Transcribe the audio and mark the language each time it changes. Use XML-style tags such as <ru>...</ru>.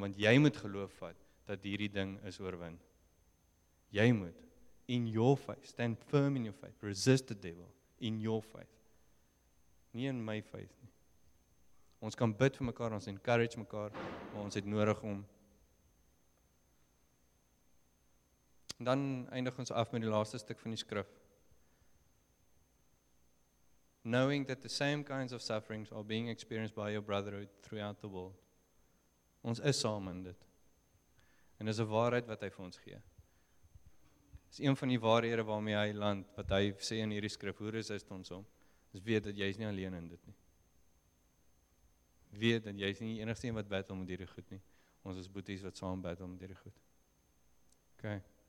<af>Want jy moet geloof vat dat hierdie ding is oorwin. Jy moet in</af> <en>your faith, stand firm in your faith, resist the devil in your faith.</en> <af>Nie in my faith nie. Ons kan bid vir mekaar, ons encourage mekaar, maar ons het nodig om dan eindig ons af met die laaste stuk van die skrif.</af> <en>Knowing that the same kinds of sufferings are being experienced by your brotherhood throughout the world.</en> <af>Ons is saam in dit. En is 'n waarheid wat hy vir ons gee. Is een van die waarhede waarmee hy land, wat hy sê in hierdie skrif, hoe resist ons hom? Is weet dat jy is nie alleen in dit nie. Weet dat jy is nie die enigste een wat battle met hierdie goed nie. Ons is boeties wat saam battle met hierdie goed. OK.</af>